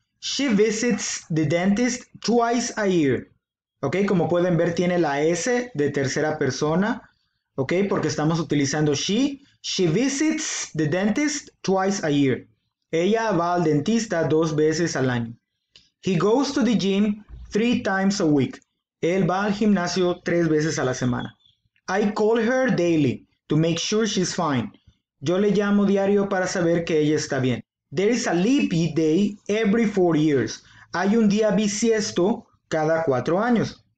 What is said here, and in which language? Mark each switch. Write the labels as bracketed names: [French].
[English] She visits the dentist twice a year. ¿Ok? [Spanish] Como pueden ver, tiene la S de tercera persona. ¿Ok? Porque estamos utilizando she. [English] She visits the dentist twice a year. [Spanish] Ella va al dentista dos veces al año. [English] He goes to the gym three times a week. [Spanish] Él va al gimnasio tres veces a la semana. [English] I call her daily to make sure she's fine. [Spanish] Yo le llamo diario para saber que ella está bien. [English] There is a leap day every 4 years. [Spanish] Hay un día bisiesto cada 4 años.